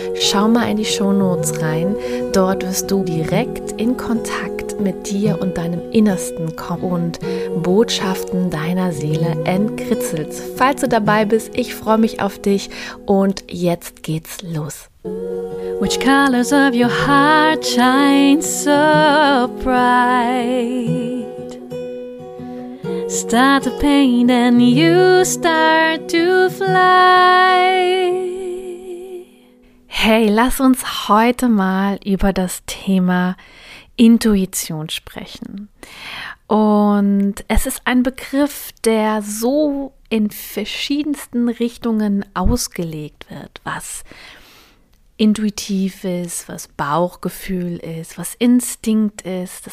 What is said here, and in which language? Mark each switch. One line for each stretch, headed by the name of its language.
German: Schau mal in die Shownotes rein. Dort wirst du direkt in Kontakt mit dir und deinem Innersten kommen und Botschaften deiner Seele entkritzelt. Falls du dabei bist, ich freue mich auf dich und jetzt geht's los.
English: Which colors of your heart shine so bright? Start the pain and you start to fly.
German: Hey, lass uns heute mal über das Thema Intuition sprechen. Und es ist ein Begriff, der so in verschiedensten Richtungen ausgelegt wird, was intuitiv ist, was Bauchgefühl ist, was Instinkt ist.